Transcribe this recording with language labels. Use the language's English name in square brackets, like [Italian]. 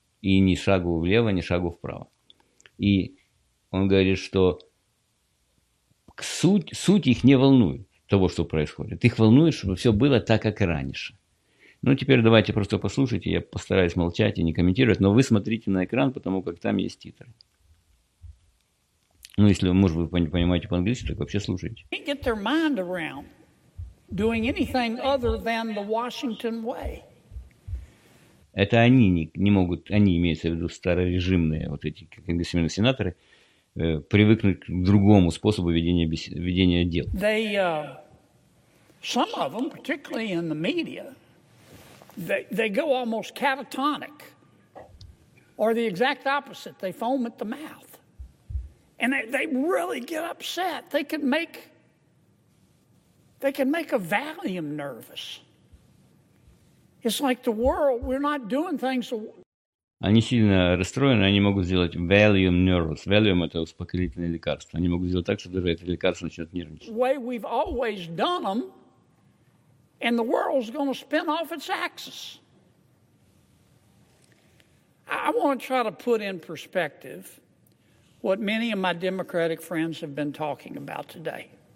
[Russian] И ни шагу влево, ни шагу вправо. И он говорит, что суть их не волнует, того, что происходит. Их волнует, чтобы все было так, как раньше. Ну, теперь давайте просто послушайте. Я постараюсь молчать и не комментировать. Но вы смотрите на экран, потому как там есть титры. Ну, если, может, вы понимаете по-английски, так вообще слушайте. [English] They get their mind around doing anything other than the Washington way. [Russian] Это они не могут, они, имеются в виду старорежимные, вот эти конгрессмены, сенаторы, привыкнуть к другому способу ведения дел. [English] They, some of them, particularly in the media, they go almost catatonic, or the exact opposite, they foam at the mouth. And they really get upset. They can make a Valium nervous. It's like the world, we're not doing things. [Russian] Они сильно расстроены, они могут сделать [English] Valium nervous. [Russian] Valium – это успокоительное лекарство. Они могут сделать так, что даже это лекарство начнет нервничать. [English] Way we've always done them, and the world's going to spin off its axis. I want to try to put in perspective what many of my Democratic friends have been talking about today.